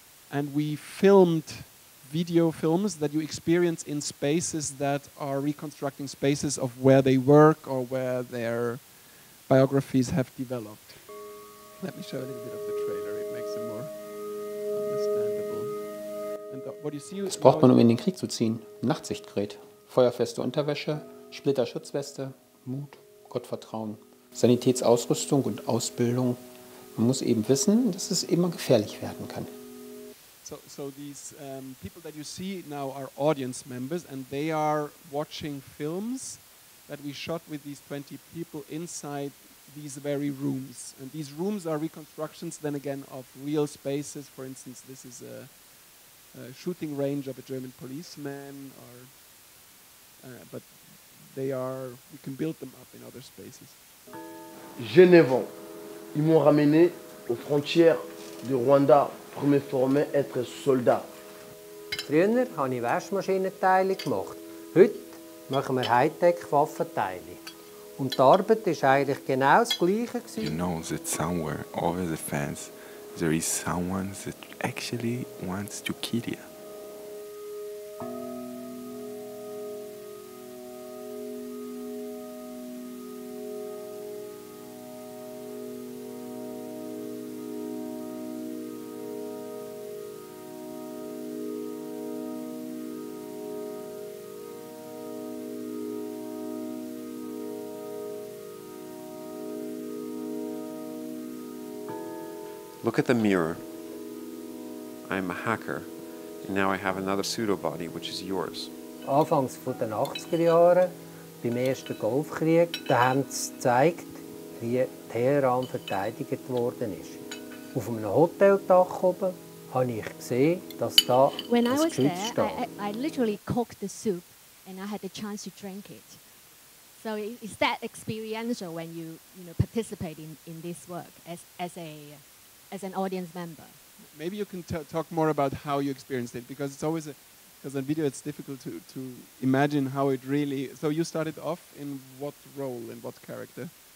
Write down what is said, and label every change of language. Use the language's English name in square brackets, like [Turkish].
[English] And we filmed video films that you experience in spaces that are reconstructing spaces of where they work or where their biographies have developed. Let me show a little bit of the trailer. It makes it more understandable. [German] Was braucht man, um in den Krieg zu ziehen? Nachtsichtgerät, feuerfeste Unterwäsche, Splitterschutzweste, Mut, Gottvertrauen, Sanitätsausrüstung und Ausbildung. Man muss eben wissen, dass es immer gefährlich werden kann. [English] So these people that you see now are audience members, and they are watching films that we shot with these 20 people inside these very rooms. And these rooms are reconstructions then again of real spaces. For instance, this is a shooting range of a German policeman, or but they are, you can build them up in other spaces. [French] Genevon, ils m'ont ramené aux frontières du Rwanda. [German] Ich mich formen, être Soldat. Früher habe ich Waschmaschinenteile gemacht. Heute machen wir Hightech-Waffenteile. Und die Arbeit war eigentlich genau das Gleiche. [English] You know that somewhere over the fence there is someone that actually wants to kill you. Look at the mirror. I'm a hacker, and now I have another pseudo-body, which is yours. [German] Anfangs von den 80er Jahren, beim ersten Golfkrieg, da haben sie gezeigt, wie Teheran verteidigt worden ist. Auf einem Hoteldach oben habe ich gesehen, dass da ein Geschütz steht. [English] When I was there, I literally cooked the soup, and I had the chance to drink it. So is that experiential when you participate in this work as an audience member. Maybe you can talk more about how you experienced it, because it's always, because on video it's difficult to imagine how it really, so you started off in what role, in what character?